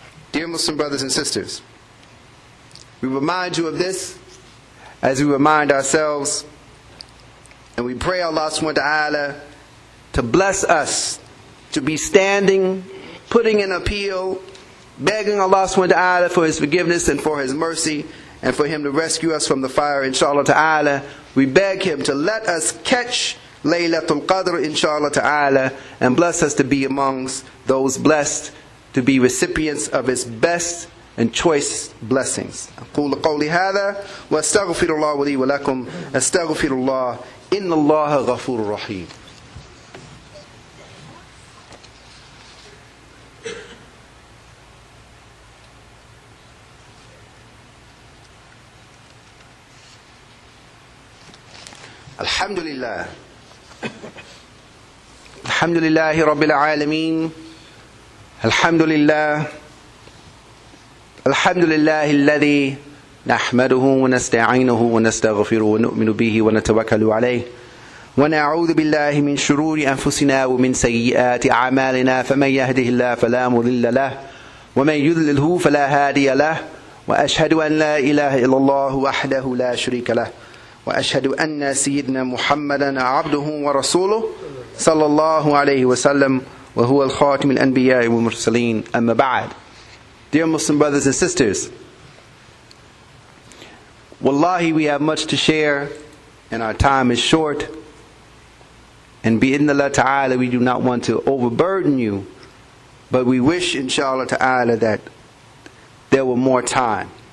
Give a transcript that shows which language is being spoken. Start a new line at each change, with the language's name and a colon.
English: Dear Muslim brothers and sisters, we remind you of this as we remind ourselves, and we pray Allah subhanahu wa ta'ala to bless us to be standing, putting an appeal, begging Allah subhanahu wa ta'ala for His forgiveness and for His mercy, and for Him to rescue us from the fire, inshallah ta'ala. We beg Him to let us catch Laylatul Qadr, inshallah ta'ala, and bless us to be amongst those blessed to be recipients of His best and choice blessings.
Arabic: أقول قولي هذا وأستغفر الله لي ولكم أستغفر الله إن الله غفور رحيم. الحمد لله. الحمد لله رب العالمين. الحمد لله. الحمد لله الذي نحمده ونستعينه ونستغفره ونؤمن به ونتوكل عليه ونعوذ بالله من شرور أنفسنا ومن سيئات أعمالنا فمن يهده الله فلا مضل له ومن يضلله فلا هادي له وأشهد أن لا إله إلا الله وحده لا شريك له وأشهد أن سيدنا محمدا عبده ورسوله صلى الله عليه وسلم وهو الخاتم الأنبياء والمرسلين أما بعد.
English: Dear Muslim brothers and sisters, wallahi, we have much to share and our time is short, and bi'idhnillah ta'ala, we do not want to overburden you, but we wish inshallah ta'ala that there were more time.